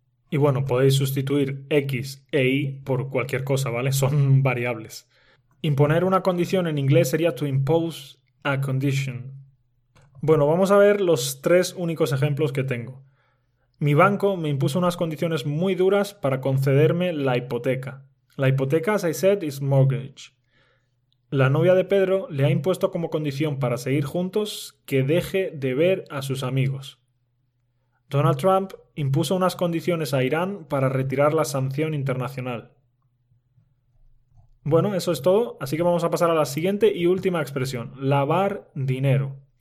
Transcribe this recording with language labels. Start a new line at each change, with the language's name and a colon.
Spanish: Y bueno, podéis sustituir X e Y por cualquier cosa, ¿vale? Son variables. Imponer una condición en inglés sería
English: to impose a condition.
Spanish: Bueno, vamos a ver los tres únicos ejemplos que tengo. Mi banco me impuso unas condiciones muy duras para concederme la hipoteca. La hipoteca,
English: as I said, is mortgage.
Spanish: La novia de Pedro le ha impuesto como condición para seguir juntos que deje de ver a sus amigos. Donald Trump impuso unas condiciones a Irán para retirar la sanción internacional. Bueno, eso es todo, así que vamos a pasar a la siguiente y última expresión, lavar dinero.